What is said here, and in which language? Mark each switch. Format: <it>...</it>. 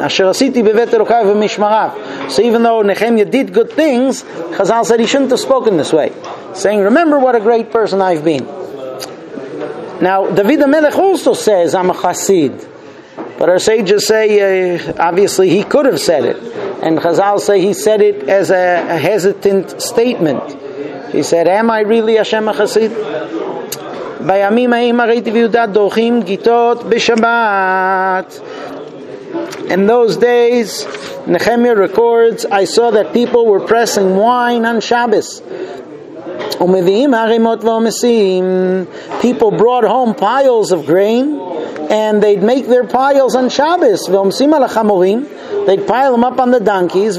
<he>Asher asiti bevet Elokai v'mishmarav.</he> <en>So even though Nehemiah did good things, Chazal said he shouldn't have spoken this way, saying, remember what a great person I've been. Now, David HaMelech also says, I'm a chassid. But our sages say, obviously, he could have said it. And Chazal say he said it as a hesitant statement. He said, am I really Hashem a chassid?</en> <he>בימים ההם ראיתי ביהודה דורכים גיטות בשבת.</he> <en>In those days, Nehemiah records, I saw that people were pressing wine on Shabbos.</en> <he>ומביאים ערימות ועומסים.</he> <en>People brought home piles of grain, and they'd make their piles on Shabbos.</en> <he>ועומסים על החמורים.</he> <en>They'd pile them up on the donkeys.</en>